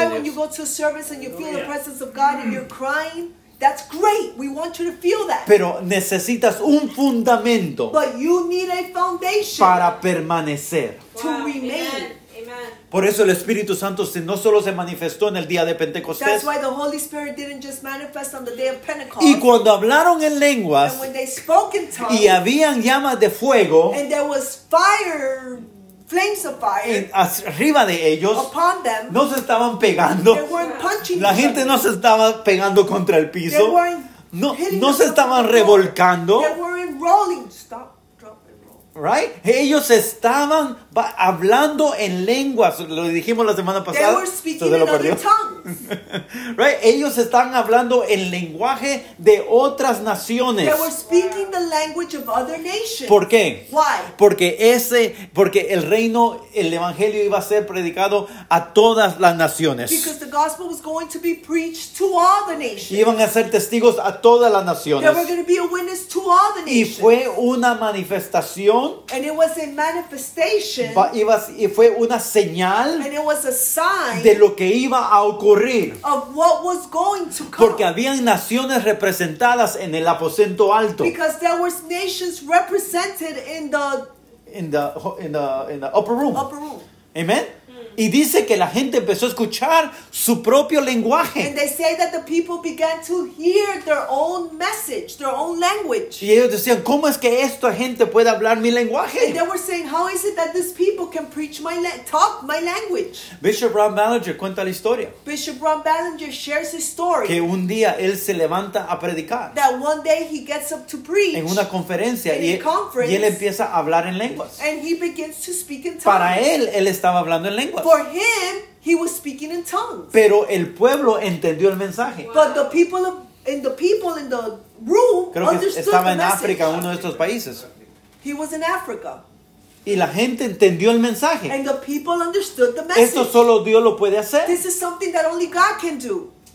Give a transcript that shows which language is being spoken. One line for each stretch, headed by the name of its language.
English: That's why when you go to a service and you feel the presence of God and you're crying, that's great. We want you to feel that.
Spanish: Pero necesitas un fundamento.
English: But you need a foundation.
Spanish: Para permanecer.
English: To remain.
Spanish: Amen. Por eso el Espíritu Santo no solo se manifestó en el día de Pentecostés.
English: That's why the Holy Spirit didn't just manifest on the day of Pentecost.
Spanish: Y cuando hablaron en lenguas.
English: And when they spoke in tongues.
Spanish: Y habían llamas de fuego.
English: And there was fire. Flames of fire.
Spanish: Arriba de ellos.
English: Upon them.
Spanish: No se estaban pegando.
English: They weren't punching.
Spanish: La gente no se estaba pegando contra el piso.
English: They weren't
Spanish: no se estaban revolcando.
English: They weren't rolling. Stop, drop, and roll. Right?
Spanish: Ellos estaban hablando en lenguas. Lo dijimos la semana pasada.
English: They were speaking in other tongues.
Spanish: Perdió.
English: Right?
Spanish: Ellos están hablando en lenguaje de otras naciones.
English: They were speaking the language of other nations.
Spanish: ¿Por qué?
English: Why?
Spanish: Porque el reino, el evangelio iba a ser predicado a todas las naciones.
English: Because the gospel was going to be preached to all the nations.
Spanish: Y iban a ser testigos a todas las naciones.
English: They were going to be a witness to all the nations.
Spanish: Y fue una manifestación.
English: And it was a manifestation.
Spanish: Y fue una señal.
English: And it was a sign.
Spanish: De lo que iba a ocurrir.
English: Of what was going to come.
Spanish: Porque habían naciones representadas en el aposento alto.
English: Because there were nations represented in the upper room. Upper room.
Spanish: Amen. Y dice que la gente empezó a escuchar su propio lenguaje.
English: And they say that the people began to hear their own message, their own language.
Spanish: Y ellos decían, ¿cómo es que esta gente puede hablar mi lenguaje?
English: And they were saying, how is it that these people can preach my talk my language?
Spanish: Bishop Ron Ballinger cuenta la historia.
English: Bishop Ron Ballinger shares his story.
Spanish: Que un día él se levanta a predicar.
English: That one day he gets up to preach.
Spanish: En una conferencia.
English: In a conference.
Spanish: Y él empieza a hablar en lenguas.
English: And he begins to speak in tongues.
Spanish: Para él estaba hablando en lenguas.
English: For him, he was speaking in tongues.
Spanish: Pero el pueblo entendió el mensaje.
English: Wow. But the people in the room
Spanish: creo que
English: understood
Spanish: estaba
English: the
Spanish: en
English: message.
Spanish: África, uno de estos países.
English: He was in Africa.
Spanish: Y la gente entendió el mensaje.
English: And the people understood the message.
Spanish: Esto solo Dios lo puede hacer.
English: This is something that only God can do.